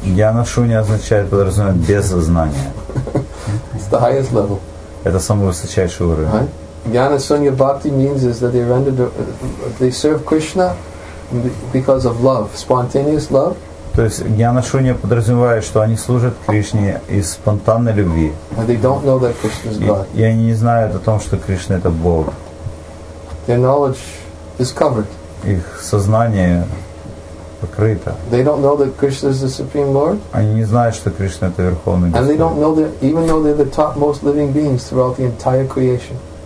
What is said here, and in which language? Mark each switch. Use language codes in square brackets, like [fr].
[ru] Гьяна Шунья означает, подразумевает, без знания. [en] It's the highest level. [ru] Это самый высочайший уровень. [en] Gyana Sunya Bhakti means is that they render, they serve Krishna because of love, spontaneous love. [ru] То есть Гьяна Шунья подразумевает, что они служат Кришне из спонтанной любви. [en] And they don't know that Krishna is God. [ru] И они не знают о том, что Кришна это Бог. [en] Their knowledge is covered. [ru] Их сознание покрыто. [en] They don't know that Krishna is the Supreme Lord. [ru] Они не знают, что Кришна это Верховный Господь. [en] And they don't know that, even though they're the topmost living beings throughout the entire creation.